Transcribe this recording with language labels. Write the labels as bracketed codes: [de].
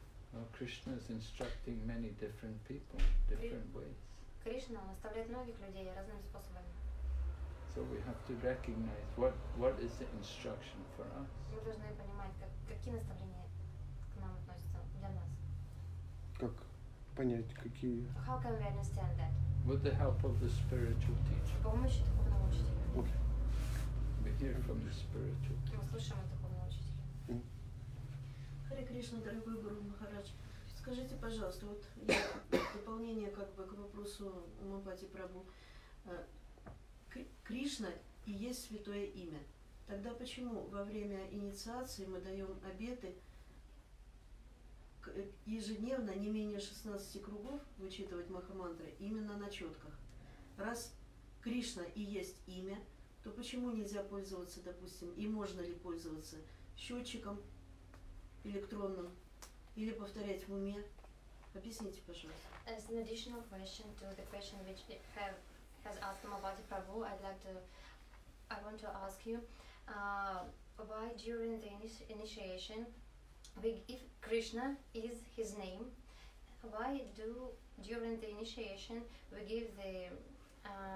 [en] Well, Krishna is instructing many different people, different ways. [ru] Krishna наставляет многих людей разными способами. [en] So we have to recognize what is the instruction for us. [ru] Мы должны понимать, какие наставления к нам относятся для нас. Как понять, какие? [en] How can we understand that? With the help of the spiritual teacher. [ru] С помощью духовного учителя. [en] Okay. We hear from the spiritual teacher. [ru] Мы слушаем от духовного учителя. Харе Кришна, дорогой Гуру Махарадж. Скажите, пожалуйста, вот дополнение как бы к вопросу Умапати Прабу. Кришна и есть святое имя. Тогда почему во время инициации мы даем обеты ежедневно не менее 16 кругов вычитывать Махамантры именно на четках? Раз Кришна и есть имя, то почему нельзя пользоваться, допустим, и можно ли пользоваться счетчиком электронным или повторять в уме? Объясните, пожалуйста. [en] As an additional question to the question which you have has asked Mahabhati Prabhu, I want to ask you, why during the initiation, if Krishna is his name, why do during the initiation we give the,